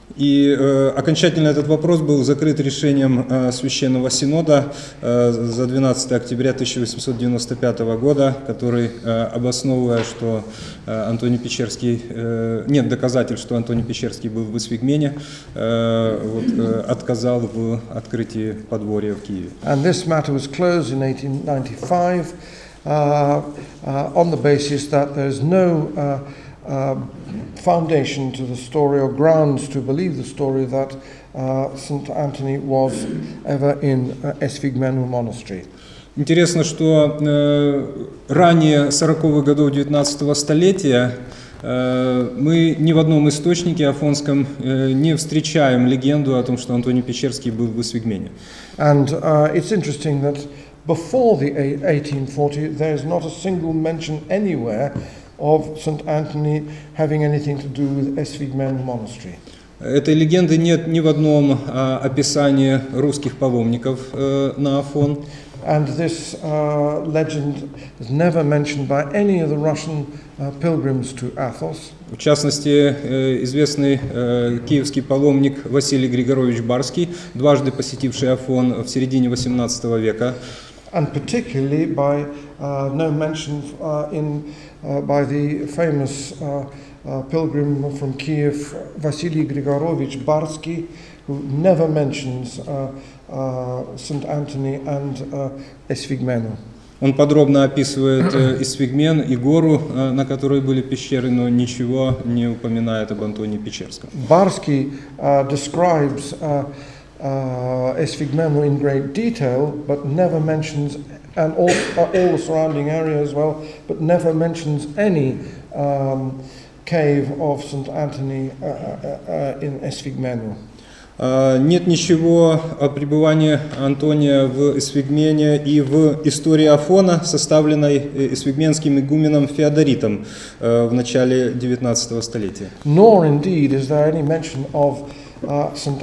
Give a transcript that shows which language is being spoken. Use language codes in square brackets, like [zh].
[ru] И окончательно этот вопрос был закрыт решением Священного Синода за 12 октября 1895 года, который обосновывая, что Антоний Печерский, нет доказательств, что Антоний Печерский был в Свигмене, вот, отказал в открытии подворья в Киеве. [en] And this matter was closed in 1895 on the basis that there's no foundation to the story or grounds to believe the story that St. Antony was ever in Svigmenu monastery. [ru] Интересно, что ранее 40-х годов 19-го столетия мы ни в одном источнике афонском не встречаем легенду о том, что Антоний Печерский был в Свигмене. [en] And it's interesting that before the 1840 there is not a single mention anywhere of St. Antony having anything to do with Svigmenu monastery. [ru] Этой легенды нет ни в одном описании русских паломников на Афон. [en] And this legend is never mentioned by any of the Russian pilgrims to Athos. [ru] В частности, известный киевский паломник Василий Григорович Барский, дважды посетивший Афон в середине 18 века. [en] And particularly by no mention in by the famous pilgrim from Kiev, Василий Григорович Барский, who never mentions St. Anthony and Эсфигмену. [ru] Он подробно описывает Эсфигмен и гору, на которой были пещеры, но ничего не упоминает об Антонии Печерском. [en] Барский describes Эсфигмену in great detail, but never mentions and all the surrounding area as well, but never mentions any cave of St. Anthony in Эсфигмену. [ru] Нет ничего о пребывании Антония в Эсфигмене и в истории Афона, составленной эсфигменским игуменом Феодоритом в начале 19 столетия. [en] Nor indeed is there any mention of St.